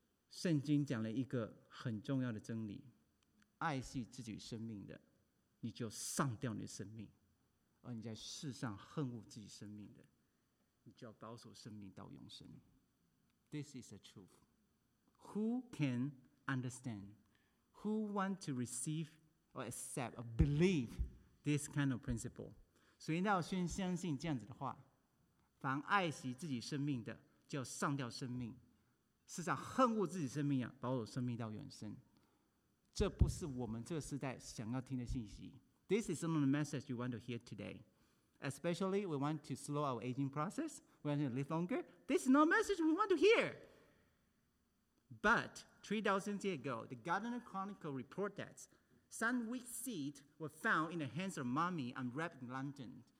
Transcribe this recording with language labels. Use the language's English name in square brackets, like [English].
[Chinese] 圣经讲了一个很重要的真理：爱惜自己生命的，你就丧掉你的生命；而你在世上恨恶自己生命的，你就要保守生命到永生。 [English] This is the truth. Who can understand? Who want to receive or accept or believe this kind of principle? [Chinese] 所以要先相信这样子的话：凡爱惜自己生命的，就要丧掉生命。是想恨恶自己生命啊，保守生命到永生。这不是我们这个时代想要听的信息。 [English] This is not the message you want to hear today. Especially, we want to slow our aging process. We want to live longer. This is not a message we want to hear. But 3,000 years ago, the Gardener Chronicle reported that some wheat seeds were found in the hands of mummy unwrapped in London.